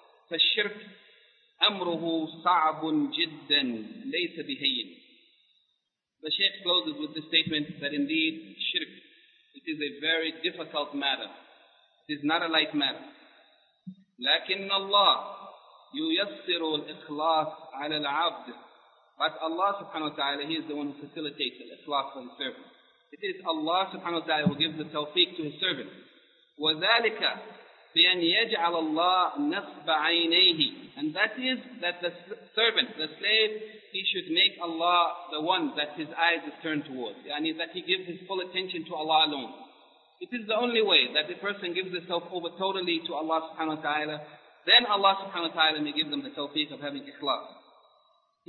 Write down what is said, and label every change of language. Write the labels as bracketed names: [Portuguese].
[Arabic] فالشرك أمره صعب جدا ليس بهين. [English] The Shaykh closes with the statement that indeed shirk, it is a very difficult matter. It is not a light matter. [Arabic] لكن الله ييسر الإخلاص على العبد. [English] But Allah subhanahu wa ta'ala, He is the one who facilitates الإخلاص for His servant. It is Allah subhanahu wa ta'ala who gives the tawfiq to His servant. [Arabic] وذلك بأن يجعل الله نصب عينيه. [English] And that is that the servant, the slave, he should make Allah the one that his eyes is turned towards. Yani that he gives his full attention to Allah alone. It is the only way that the person gives himself over totally to Allah subhanahu wa ta'ala. Then Allah subhanahu wa ta'ala may give them the tawfiq of having ikhlas. He